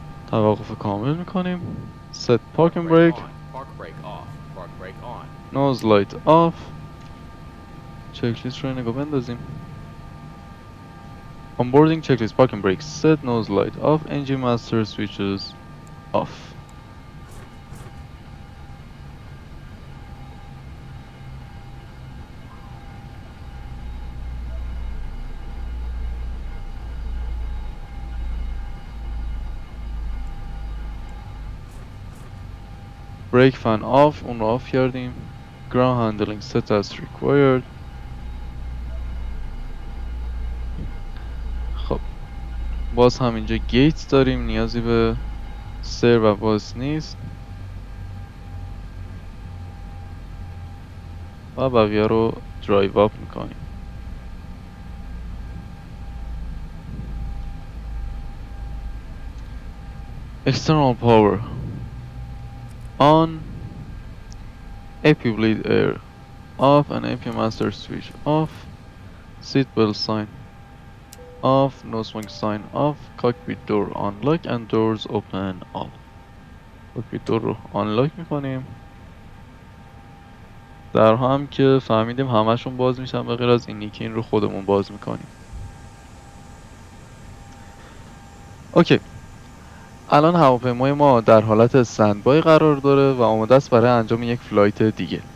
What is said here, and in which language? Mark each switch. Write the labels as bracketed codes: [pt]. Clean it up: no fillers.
[fa] توقف کامل میکنیم. [en] Set park and brake. Park brake off. Park brake on. Nose light off. [fa] چک لیست رو نگاه بندازیم. [en] Onboarding checklist, parking brakes, set nose light off, engine master switches off. Brake fan off, onu off yardım. Ground handling set as required. [fa] خب باز همینجا گیت داریم، نیازی به سر و باز نیست و بقیه رو درایو اپ میکنیم. [en] external power on, AP bleed air off and AP master switch off, seat belt sign off, no smoke sign off, cockpit door unlock and doors open off. [fa] Cockpit door رو unlock میکنیم. در هم که فهمیدیم همهشون باز میشن بغیر از اینی که این رو خودمون باز میکنیم. اوکی. الان هواپیمای ما در حالت استندبای قرار داره و آماده است برای انجام یک فلایت دیگه.